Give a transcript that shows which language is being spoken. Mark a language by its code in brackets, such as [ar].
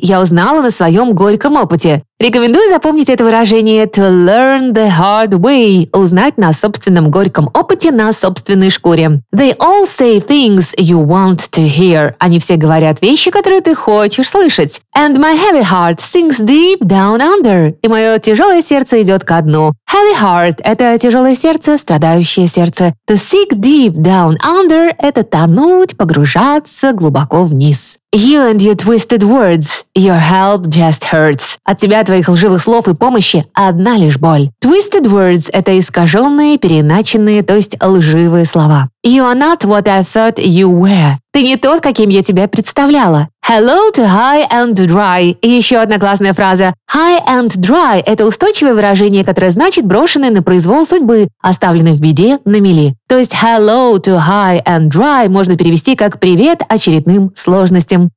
[ru] Я узнала на своем горьком опыте. Рекомендую запомнить это выражение [en] to learn the hard way. [ru] Узнать на собственном горьком опыте на собственной шкуре. [en] They all say things you want to hear. [ru] Они все говорят вещи, которые ты хочешь слышать. [en] And my heavy heart sinks deep down under. [ru] И мое тяжелое сердце идет ко дну. Heavy heart – это тяжелое сердце, страдающее сердце. To sink deep down under – это тонуть, погружаться глубоко вниз. [en] You and your twisted words, your help just hurts. [ru] От тебя, твоих лживых слов и помощи одна лишь боль. Twisted words – это искаженные, переначенные, то есть лживые слова. [en] You are not what I thought you were. [ru] Ты не тот, каким я тебя представляла. [en] Hello to high and dry. [ru] И еще одна классная фраза. High and dry – это устойчивое выражение, которое значит брошенное на произвол судьбы, оставленное в беде на мели. То есть [en] hello to high and dry [ru] можно перевести как привет очередным сложностям.